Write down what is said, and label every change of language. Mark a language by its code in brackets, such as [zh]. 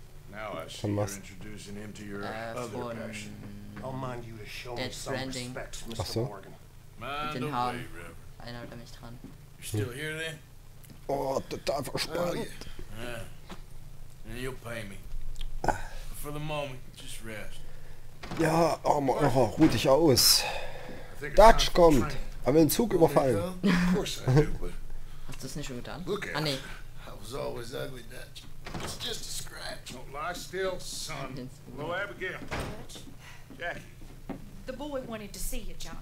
[en] Now I see you're introducing him to your other passion. I'll mind you to show me some respect, Mr. Morgan. [de] Ach so. Mit den Haaren. Einer hat mich dran. [en] You're still here then? [de] Oh, total verspannt. [en] And you'll pay me. For the moment, just rest. [de] Ja, oh Mann, oh, ruh dich aus. Dutch kommt. Haben wir einen Zug überfallen? Hast du es nicht schon getan? Ah, nee. [en] I was always ugly, Dutch. It's just a scratch. Don't lie still, son. Hello, Abigail. Jackie. The boy wanted to see you, John.